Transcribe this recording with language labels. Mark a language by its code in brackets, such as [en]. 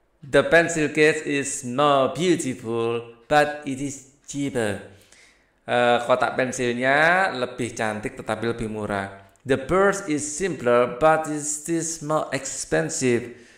[en] The pencil case is not beautiful, but it is cheaper. [id] Kotak pensilnya lebih cantik tetapi lebih murah. [en] The purse is simpler, but it is more expensive.